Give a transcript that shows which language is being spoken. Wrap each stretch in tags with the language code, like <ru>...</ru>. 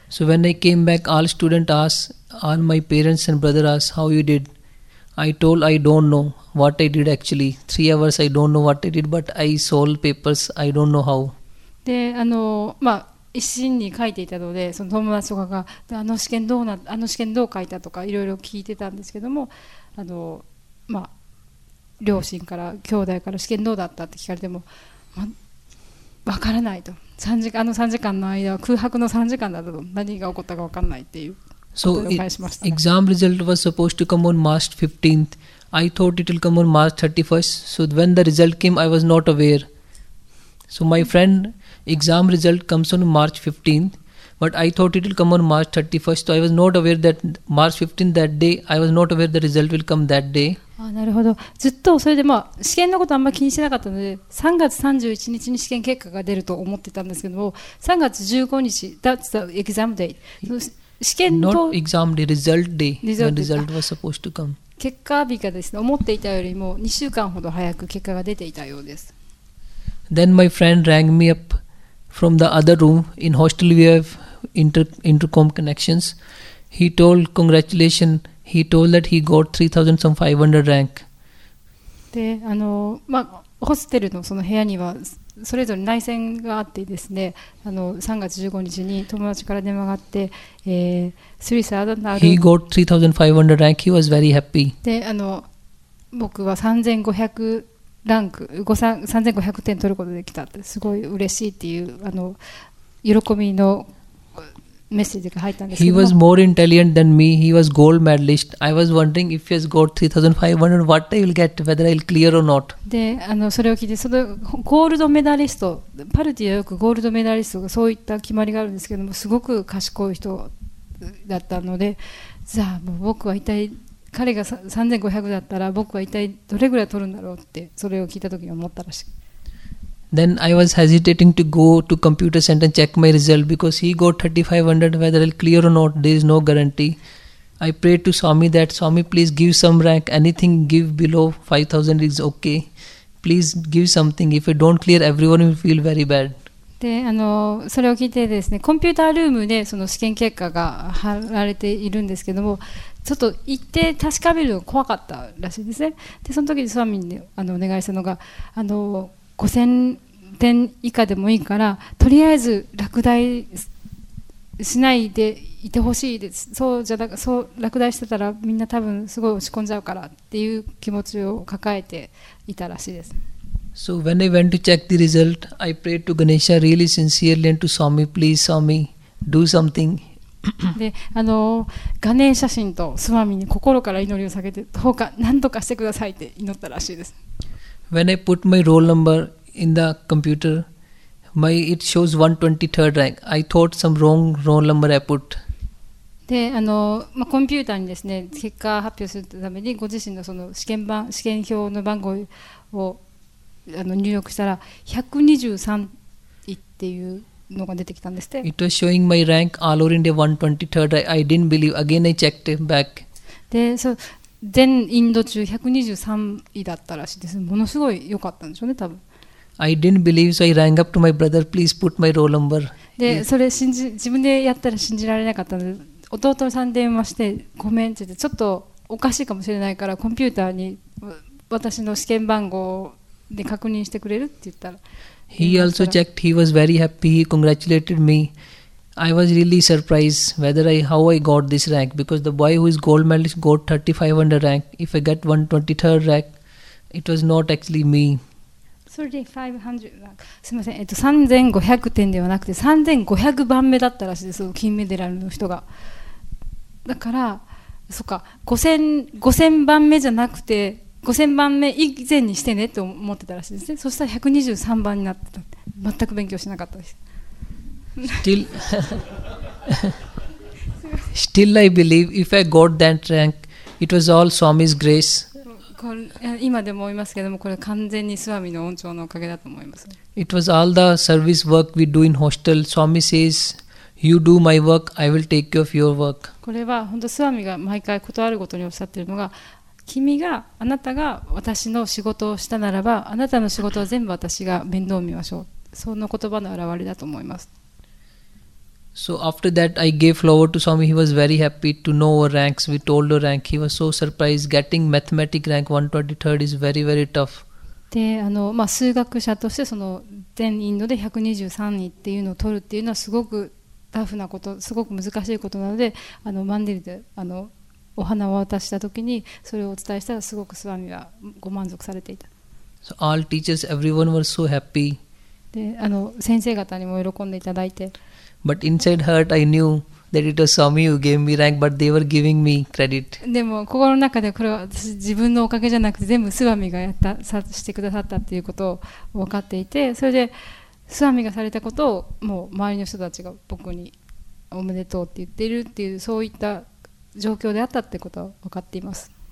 <en>So when I came back, all students asked, all my parents and brother asked, how you did? I told, I don't know what I did actually. 3 hours, I don't know what I did, but I solved papers, I don't know how.</en> <ja>で、まあ一心に書いていたので、その友達とかがあの試験どう書いたとかいろいろ聞いてたんですけども、まあ両親から兄弟から試験どうだったって聞かれても、ま、分からないと、あの3時間の間は空白の3時間だと、何が起こったか分からないっていうことで返しました、ね。</ja> <en>So, exam result was supposed to come on March 15th. I thought it will come on March 31st. So when the result came, I was not aware. So my friendExam result comes on March 15th, but I thought it will come on March 31st. So I was not aware that March 15th that day. I was not aware the result will come that day.</en> <ja>あ、なるほど。ずっとそれでまあ試験のことあんまり気にしなかったので、3月31日に試験結果が出ると思ってたんですけども、3月15日</ja> <en>that's the exam day.</en> <ja>試験の</ja> <en>not exam day, result day. The result was supposed to come.</en> <ja>結果日がですね、思っていたよりも2週間ほど早く結果が出ていたようです。</ja> <en>Then my friend rang me up from the other room. In hostel we have intercom connections. He told congratulations. He told that he got 3,500 rank.</en> <ja>で、まあホステルのその部屋にはそれぞれ内線があってですね、3月15日に友達から電話があって、スリサードナ</ja> <en>ル。He got 3,500 rank. He was very happy.</en> <ja>で、僕は3,500ランク3500点取ることができたって、すごい嬉しいっていう喜びのメッセージが入ったんですけども。</ja> <en>He was more intelligent than me. He was gold medalist. I was wondering if he has got 3500, what I will get, whether I'll clear or not.</en> <ja>で、それを聞いて、そのゴールドメダリスト、パルティはよくゴールドメダリストがそういった決まりがあるんですけども、すごく賢い人だったので、じゃあもう僕は一体彼が3500だったら僕は一体どれぐらい取るんだろうってそれを聞いた時に思ったらしい。</ja> <en>Then I was hesitating to go to computer center and check my result because he got 3500, whether I'll clear or not, there is no guarantee. I prayed to Swami that Swami please give some rank, anything give below 5000 is okay. Please give something. If I don't clear, everyone will feel very bad.</en> <ja>で、それを聞いてですね、コンピュータールームでその試験結果が貼られているんですけども、ちょっと行って確かめるのが怖かったらしいですね。でその時にスワミにお願いしたのが、5000点以下でもいいからとりあえず落第しないでいてほしいです、そう落第してたらみんな多分すごい落ち込んじゃうからっていう気持ちを抱えていたらしいです。</ja> <en>So when I went to check the result, I prayed to Ganesha really sincerely and to Swami, please Swami, do something.</en> <ja>で、ガネーシャ神とスワミに心から祈りを下げて、どうか何とかしてくださいって祈ったらしいです。</ja> <en>When I put my roll number in the computer, it shows 123rd rank. I thought some wrong roll number I put.</en> <ja>で、まあ、コンピューターにですね、結果発表するためにご自身のその試験表の番号を入力したら123位っていうのが出てきたんですって。</ja> <en>It was showing my rank all over India 123rd. I didn't believe. Again I checked back.</en> <ja>で、全インド中123位だったらしいです。ものすごい良かったんでしょうね、多分。</ja> <en>I didn't believe, so I rang up to my brother, please put my roll number.</en> <ja>で、それ自分でやったら信じられなかったので、弟さん電話してごめんって言って、ちょっとおかしいかもしれないからコンピューターに私の試験番号をで確認してくれるって言ったら、</ja> <en>He also checked. He was very happy. He congratulated me. I was really surprised whether how I got this rank, because the boy who is gold medalist got 3500 rank. If I get 123rd rank, it was not actually me. 3500 rank.</en> <ja>すみません。 3500点ではなくて3500番目だったらしいです。その金メダルの人が。だから、そっか、5000番目じゃなくて。 5000番目以前にしてねと思ってたらしいですね。そしたら123番になってたって、全く勉強しなかったです。</ja> <en>Still, still I believe if I got that rank, it was all Swami's grace.</en> <ja>今でも思いますけども、これ完全にスワミの恩寵のおかげだと思います。</ja> <en>It was all the service work we do in hostel. Swami says, You do my work, I will take care of your work.</en> <ja>これは本当スワミが毎回断るごとにおっしゃっているのが、君が、あなたが私の仕事をしたならば、あなたの仕事は全部私が面倒を見ましょう。その言葉の表れだと思います。</ja> <en>So after that, I gave flower to Swami. He was very happy to know our ranks. We told our rank. He was so surprised. Getting mathematic rank 123rd is very, very tough.</en> <ja>で、まあ、数学者としてその全インドで123位っていうのを取るっていうのはすごくタフなこと、すごく難しいことなので、マンデリでお花を渡したときにそれをお伝えしたらすごくスワミはご満足されていた。</ja> <en>So all teachers, everyone was so happy.</en> <ja>で、先生方にも喜んでいただいて。</ja> <en>But inside heart, I knew that it was Swami who gave me rank, but they were giving me credit.</en> <ja>でも心の中でこれは私自分のおかげじゃなくて全部スワミがやったさしてくださったっていうことを分かっていて、それでスワミがされたことをもう周りの人たちが僕におめでとうって言っているっていうそういった状況であったってことを分かっています。</ja>